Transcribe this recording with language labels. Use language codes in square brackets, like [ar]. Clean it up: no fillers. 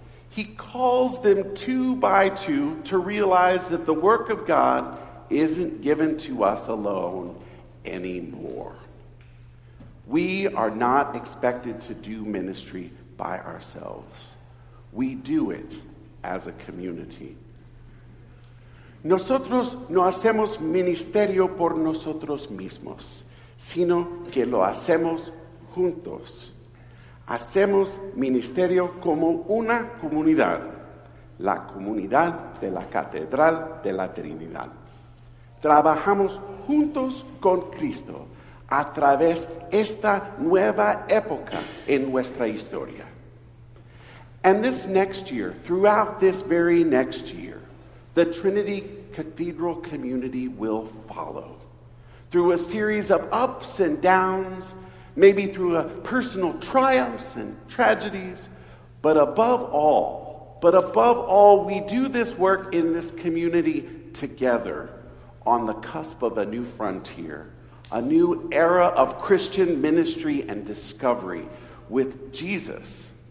[en] He calls them two by two to realize that the work of God isn't given to us alone anymore. We are not expected to do ministry by ourselves. We do it as a community. [es] Nosotros no hacemos ministerio por nosotros mismos, sino que lo hacemos juntos. Hacemos ministerio como una comunidad, la comunidad de la Catedral de la Trinidad. Trabajamos juntos con Cristo a través esta nueva época en nuestra historia. [en] And this next year, throughout this very next year, the Trinity Cathedral community will follow. Through a series of ups and downs, maybe through a personal triumphs and tragedies, but above all, we do this work in this community together on the cusp of a new frontier, a new era of Christian ministry and discovery with Jesus.